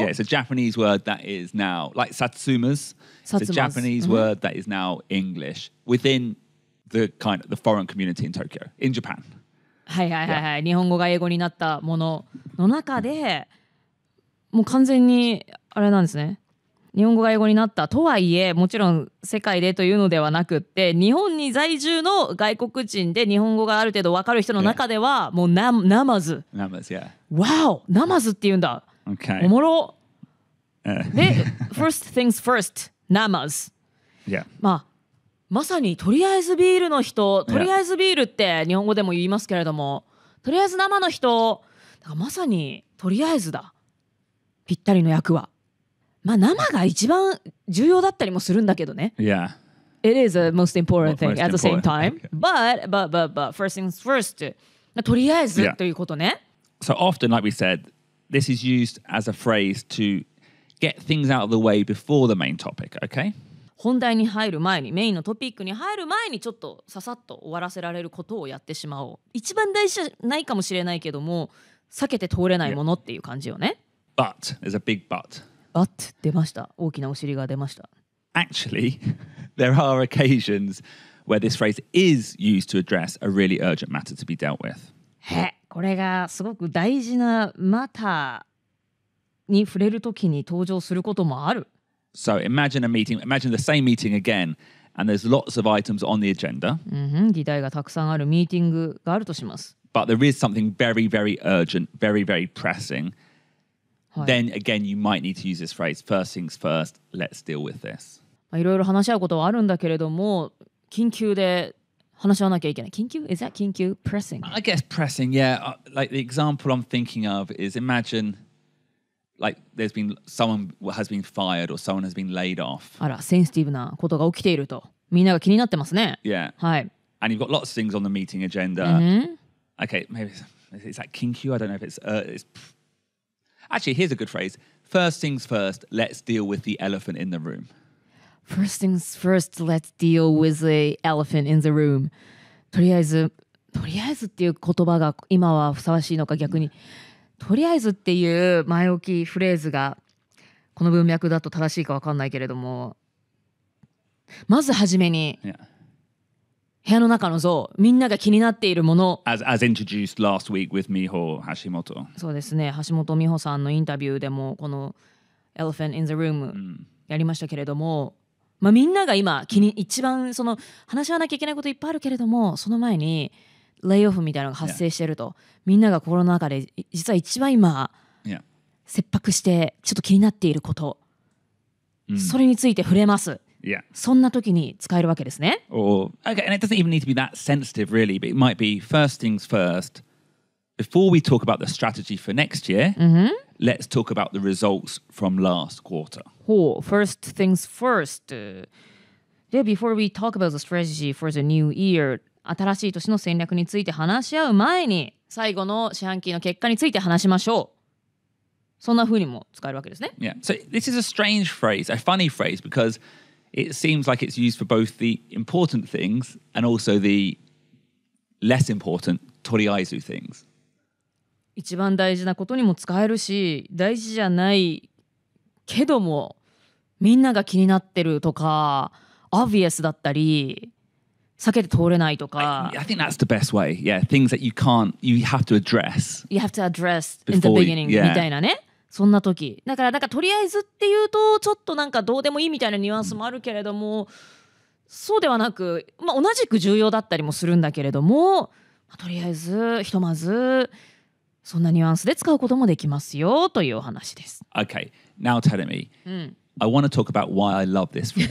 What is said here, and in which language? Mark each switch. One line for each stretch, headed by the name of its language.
English: Yeah, it's a Japanese word that is now, like satsumas, it's a Japanese、 mm-hmm. word that is now English within the kind of the foreign community in Tokyo, in Japan.
Japanese: はいはいはい、はい、日本語が英語になったものの中で、もう完全にあれなんですね。日本語が英語になったとはいえ、もちろん世界でというのではなくって、日本に在住の外国人で日本語がある程度わかる人の中では、もう Namas。
English: Namas, yeah.
Japanese: Wow, Namas って言うんだ。
English: Okay.
Japanese: おもろ。で、
English: first things first, namas. Yeah.
Japanese: まあ、まさにとりあえずビールの人、とりあえずビールって日本語でも言いますけれども、とりあえず生の人、だからまさにとりあえずだ。ぴったりの役は。まあ、生が一番重要だったりもするんだけどね。
English: Yeah. It is a most important thing at the same time. But, first things first.
Japanese: とりあえずということね。
English: So often, like we said,This is used as a phrase to get things out of the way before the main topic, okay?
Japanese: 本題に入る前に、メインのトピックに入る前にちょっとささっと終わらせられることをやってしまおう。一番大事じゃないかもしれないけども、避けて通れないものっていう感じよね。
English: Yeah. But, there's a big but. But,
Japanese: 出ました。大きなお尻が出ました。
English: Actually, there are occasions where this phrase is used to address a really urgent matter to be dealt with.
Japanese: へっ。これがすごく大事なマターに触れるときに登場することもある。
English: So imagine a meeting, imagine the same meeting again, and there's lots of items on the agenda.
Japanese: 議題がたくさんあるミーティングがあるとします。
English: But there is something very, very urgent, very, very pressing.、
Japanese: はい、
English: Then again, you might need to use this phrase, first things first, let's deal with this.
Japanese: いろいろ話し合うことはあるんだけれども、緊急で話し合わなきゃいけない。
English: 緊急?Is that 緊急?Pressing? I guess pressing, yeah. Like the example I'm thinking of is imagine like there's been someone has been fired or someone has been laid off.
Japanese: あら、センシティブなことが起きていると。みんなが気になってますね。
English: Yeah.
Japanese: はい。
English: And you've got lots of things on the meeting agenda.、 Mm-hmm. Okay, maybe it's like 緊急? I don't know if it's... Actually, here's a good phrase. First things first, let's deal with the elephant in the room. First things first, let's deal with the elephant in the room.
Japanese: とりあえずっていう言葉が今はふさわしいのか逆に、とりあえずっていう前置きフレーズがこの文脈だと正しいか分かんないけれども、まずはじめに、部屋の中の像、みんなが気になっているもの。
English: As introduced last week with Miho Hashimoto.
Japanese: そうですね、橋本美穂さんのインタビューでもこの Elephant in the Room やりましたけれども、まあ、みんなが今気に、一番その話し合わなきゃいけないこといっぱいあるけれども、その前にレイオフみたいなのが発生してると、
English: yeah.
Japanese: みんなが心の中で実は一番今、切迫してちょっと気になっていること、それについて触れます。
English: Yeah.
Japanese: そんな時に使えるわけですね。
English: Or, okay, and it doesn't even need to be that sensitive, really, but it might be first things first. Before we talk about the strategy for next year,、 mm-hmm. let's talk about the results from last quarter. Oh, first things first. Yeah, before we talk about the strategy for the new year,
Japanese: 新しい年の戦略について話し合う前に、最後の四半期の結果について話しましょう。そんな風にも使えるわけですね。
English: Yeah, so this is a strange phrase, a funny phrase, because... It seems like it's used for both the important things and also the less important, とりあえず things.
Japanese: 一番大事なことにも使えるし、大事じゃないけども、みんなが気になってるとか、obvious だったり、避けて通れないとか。
English: I think that's the best way. Yeah, things that you can't, you have to address. You have to address in the beginning, you,、yeah.
Japanese: みたいなね。そんな時だからなんかとりあえずっていうとちょっとなんかどうでもいいみたいなニュアンスもあるけれども、そうではなく、まあ、同じく重要だったりもするんだけれども、まあ、とりあえずひとまずそんなニュアンスで使うこともできますよというお話です。
English: Okay, now tell me,、I want to talk about why I love this phrase.